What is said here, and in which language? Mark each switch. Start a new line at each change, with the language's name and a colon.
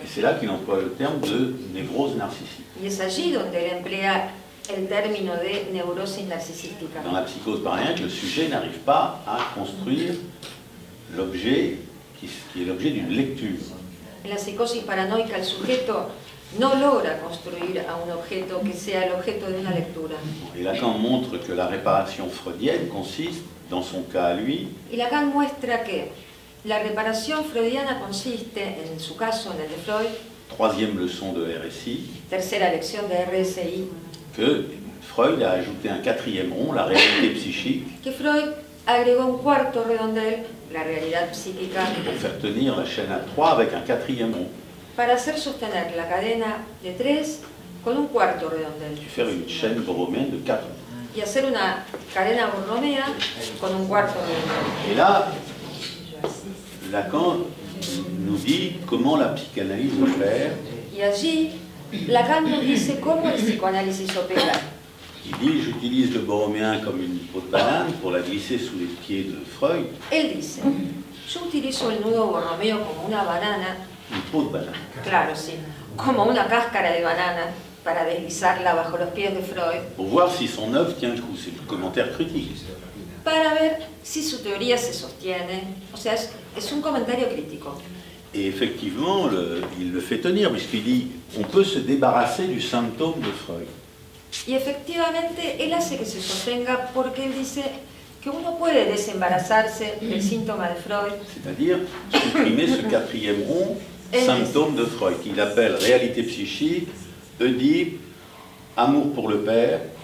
French: Et c'est là qu'il emploie le terme de névrose narcissique.
Spanish: Y es allí donde él emplea el término de neurosis narcisística.
French: Dans la psychose paranoïaque, le sujet n'arrive pas à construire l'objet qui est l'objet d'une lecture.
Spanish: En la psicosis paranoica, el sujeto no logra construir a un objeto que sea el objeto de una lectura.
French: Et Lacan montre que la réparation freudienne consiste, dans son cas à lui.
Spanish: Y Lacan muestra que la reparación freudiana consiste, en su caso, en el de Freud.
French: Troisième leçon de RSI.
Spanish: Tercera lección de RSI.
French: Que Freud a ajouté un quatrième rond, la réalité psychique.
Spanish: Que Freud agregó un cuarto redondel, la realidad psíquica.
French: Pour faire tenir la chaîne à trois avec un quatrième rond.
Spanish: Para hacer sostener la cadena de tres con un cuarto redondel.
French: Et faire une chaîne borromeenne de quatre.
Spanish: Y hacer una cadena borromea con un cuarto redondel.
French: Et là, Lacan nous dit comment la psychanalyse opère. Et ici, Lacan nous dit comment la psychanalyse opère. Il dit, j'utilise le borroméen comme une peau de banane pour la glisser sous les pieds de Freud. Il dit, j'utilise le nudo borroméo comme une banane. Une peau de banane.
Spanish: Claro, sí.
French: Comme une cáscara de banane.
Spanish: Para deslizarla bajo los pies de Freud.
French: Pour voir si son œuvre tient le coup, c'est le commentaire critique.
Spanish: Para ver si su teoría se sostiene. O sea, es un comentario crítico.
French: Et effectivement, il le fait tenir, puisqu'il dit on peut se débarrasser du symptôme de Freud.
Spanish: Y efectivamente, él hace que se sostenga porque él dice que uno puede desembarazarse del síntoma de Freud.
French: C'est-à-dire supprimer ce quatrième rond, symptôme de Freud, qu'il appelle réalité psychique. Oedipe, amour pour le père.